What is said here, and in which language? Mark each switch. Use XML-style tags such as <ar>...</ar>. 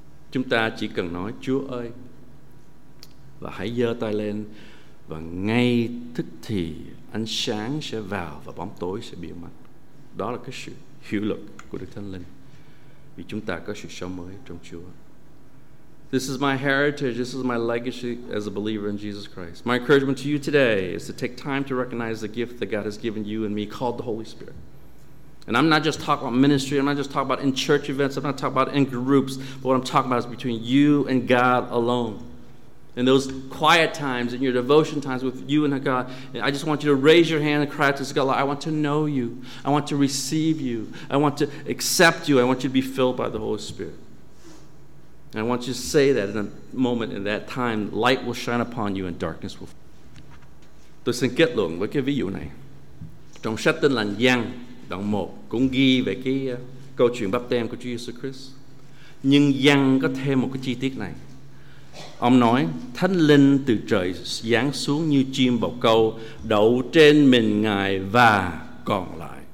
<vi>Chúng ta chỉ cần nói Chúa ơi, và hãy giơ tay lên, và ngay tức thì ánh sáng sẽ vào và bóng tối sẽ biến mất. Đó là cái sự hiệu lực của Đức Thánh Linh, vì chúng ta có sự sống mới trong Chúa.</vi> <en>This is my heritage, this is my legacy as a believer in Jesus Christ. My encouragement to you today is to take time to recognize the gift that God has given you and me called the Holy Spirit. And I'm not just talking about ministry, I'm not just talking about in church events, I'm not talking about in groups, but what I'm talking about is between you and God alone. In those quiet times, in your devotion times with you and God, I just want you to raise your hand and cry out to God, "I want to know you, I want to receive you, I want to accept you, I want you to be filled by the Holy Spirit." And I want you to say that in a moment, in that time, light will shine upon you and darkness will fall.</en> <vi>Tôi xin kết luận với cái ví dụ này. Trong sách Tin Lành Giăng, đoạn 1, cũng ghi về cái câu chuyện báp têm của Chúa Jesus Christ. Nhưng Giăng có thêm một cái chi tiết này. Ông nói, Thánh Linh từ trời giáng xuống như chim bồ câu, đậu trên mình Ngài và còn lại.</vi>